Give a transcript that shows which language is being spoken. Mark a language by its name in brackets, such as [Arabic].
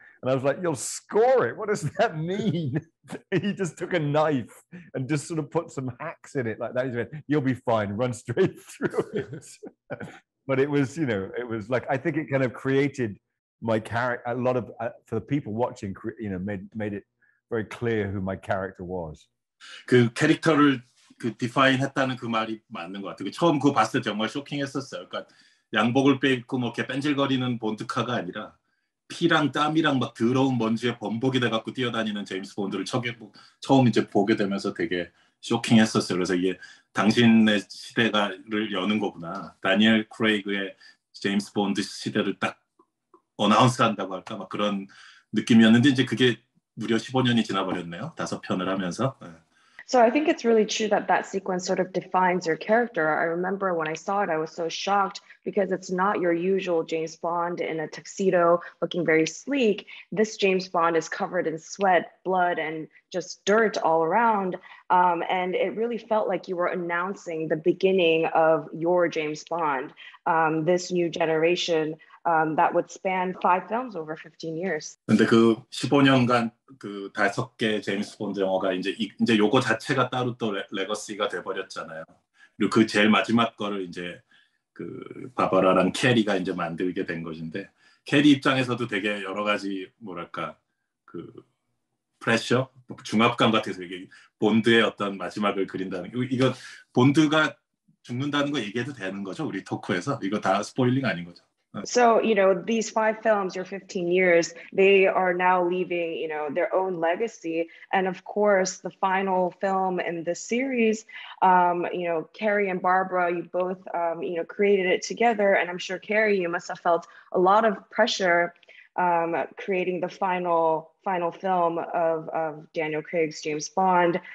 [English] And I was like, you'll score it? What does that mean? He just took a knife and just sort of put some hacks in it like that. He said, you'll be fine, run straight through it. But it was, you know, it was like, I think it kind of created my character, a lot of, for the people watching, made it very clear who my character was. [Korean] 그 캐릭터를 그 디파인 했다는 그 말이 맞는 것 같아요. 그 처음 그거 봤을 때 정말 쇼킹했었어요. 그러니까 양복을 빼입고 뭐 이렇게 뺀질거리는 본드카가 아니라 피랑 땀이랑 막 더러운 먼지에 범벅이 돼갖고 뛰어다니는 제임스 본드를 처음 이제 보게 되면서 되게 쇼킹했었어요. 그래서 이게 당신의 시대가를 여는 거구나. 다니엘 크레이그의 제임스 본드 시대를 딱 어나운스한다고 할까 막 그런 느낌이었는데 이제 그게 무려 15년이 지나버렸네요. 다섯 편을 하면서. [English] So I think it's really true that that sequence sort of defines your character. I remember when I saw it, I was so shocked because it's not your usual James Bond in a tuxedo looking very sleek. This James Bond is covered in sweat, blood, and just dirt all around. And it really felt like you were announcing the beginning of your James Bond, this new generation that would span five films over 15 years. [Korean] 근데 그 15년간 그 다섯 개 제임스 본드 영화가 이제 요거 자체가 따로 또 레거시가 돼버렸잖아요. 그리고 그 제일 마지막 거를 이제 그 바바라랑 캐리가 이제 만들게 된 것인데 캐리 입장에서도 되게 여러 가지 뭐랄까 그 프레셔 중압감 같아서 이게 본드의 어떤 마지막을 그린다는 이거 본드가 죽는다는 거 얘기해도 되는 거죠 우리 토크에서 이거 다 스포일링 아닌 거죠. [English] So, you know, these five films, your 15 years, they are now leaving, you know, their own legacy. And of course, the final film in the series, you know, Cary and Barbara, you both, you know, created it together. And I'm sure, Cary, you must have felt a lot of pressure creating the final film of Daniel Craig's James Bond.